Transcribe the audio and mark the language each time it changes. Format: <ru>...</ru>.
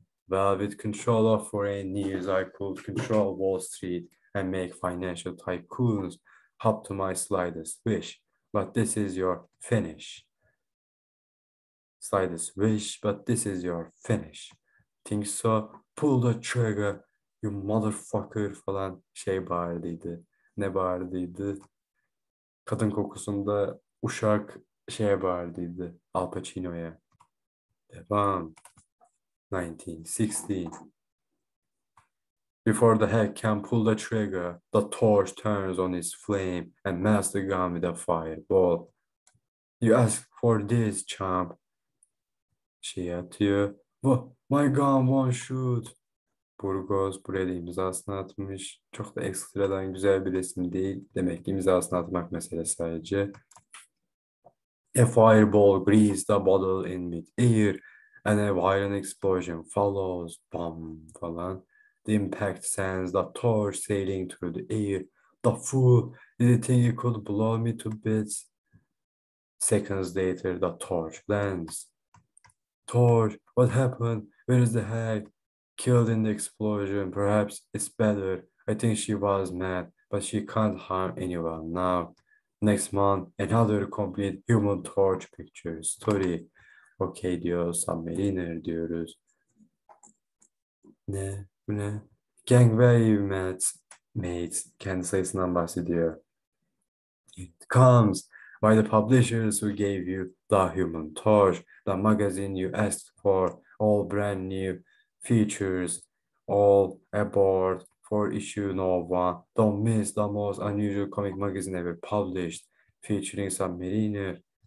<en>Well, with control of foreign news, I could control Wall Street and make financial tycoons hop to my slightest wish. But this is your finish. Slightest wish, but this is your finish. Think so? Pull the trigger, you motherfucker</en> <tr>falan şey bağırdıydı. Ne bağırdıydı? Kadın kokusunda uşak şeye bağırdıydı. Al Pacino'ya. Devam. 1916.</tr> <en>Before the head can pull the trigger, the torch turns on its flame and melts the gun with a fireball. You ask for this, champ. She at you. What? My gun won't shoot.</en> <tr>Burgos buraya da imzasını atmış. Çok da ekstradan güzel bir resim değil. Demek ki imzasını atmak mesele sadece.</tr> <en>A fireball grazed the bottle in mid-air. And a violent explosion follows, bam</en> <tr>falan.</tr> <en>The impact sends the torch sailing through the air. The fool, did you think you could blow me to bits? Seconds later, the torch lands. Torch, what happened? Where is the hag? Killed in the explosion, perhaps it's better. I think she was mad, but she can't harm anyone now. Next month, another complete human torch picture story.</en> <tr>Okay diyor, Submariner diyoruz. Ne? Bu ne?</tr> <en>Gangway mates. Mates.</en> <tr>Kendi sayısından bahsediyor.</tr> <en>It comes by the publishers who gave you the Human Torch, the magazine you asked for, all brand new features, all aboard for issue Nova. Don't miss the most unusual comic magazine ever published, featuring Submariner.</en>